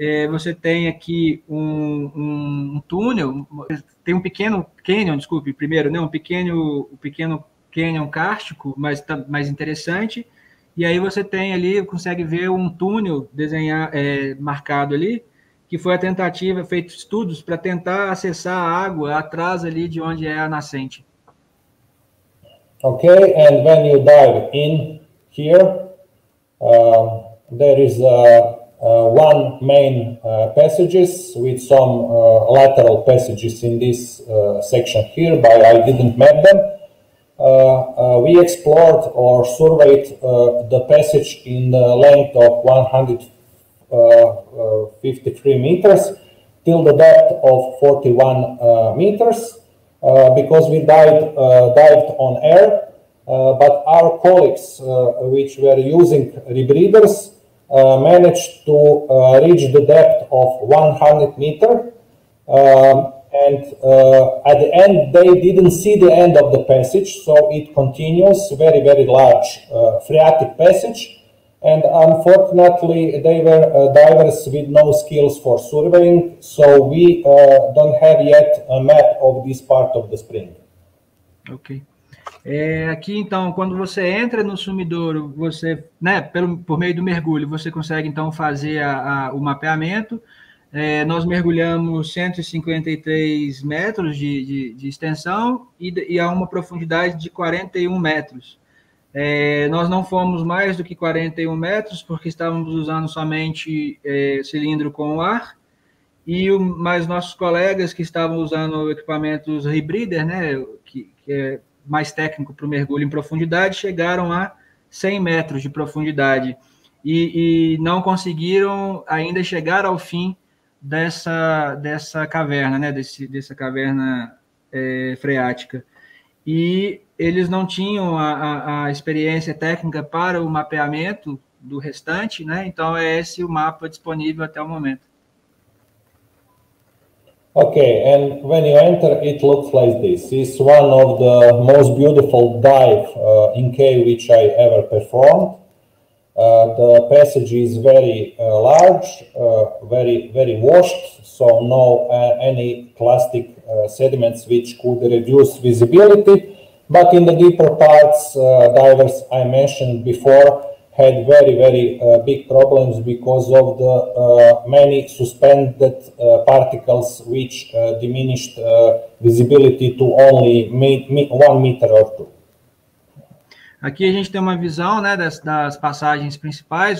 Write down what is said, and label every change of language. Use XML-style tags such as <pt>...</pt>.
<pt>Você tem aqui um túnel, tem um pequeno canyon, desculpe, primeiro, né, um pequeno canyon kárstico, mas tá mais interessante. E aí você tem ali, consegue ver um túnel marcado ali, que foi a tentativa, feito estudos para tentar acessar a água atrás ali de onde é a nascente.</pt> <en>Okay, and when you dive in here, there is one main passages with some lateral passages in this section here, but I didn't map them. We explored or surveyed the passage in the length of 153 meters till the depth of 41 meters because we dived on air, but our colleagues which were using rebreathers managed to reach the depth of 100 meters and at the end they didn't see the end of the passage, so it continues very very large phreatic passage. And unfortunately, they were divers with no skills for surveying, so we don't have yet a map of this part of the spring. Ok.</en> <pt>Aqui, então, quando você entra no sumidouro, você, né, por meio do mergulho, você consegue, então, fazer o mapeamento. Nós mergulhamos 153 metros de extensão e a uma profundidade de 41 metros. Nós não fomos mais do que 41 metros, porque estávamos usando somente cilindro com ar, mas nossos colegas que estavam usando equipamentos rebreather, né, que é mais técnico para o mergulho em profundidade, chegaram a 100 metros de profundidade e não conseguiram ainda chegar ao fim dessa caverna, né, dessa caverna freática. E eles não tinham a experiência técnica para o mapeamento do restante, né? Então é esse o mapa disponível até o momento.</pt> <en>Okay, and when you enter, it looks like this. It's one of the most beautiful dive in cave which I ever performed. The passage is very large, very washed, so no any plastic sediments which could reduce visibility. But in the deeper parts, divers I mentioned before had very big problems because of the many suspended particles which diminished visibility to only 1 meter or two.</en> <pt>Aqui a gente tem uma visão, né, das passagens principais.</pt>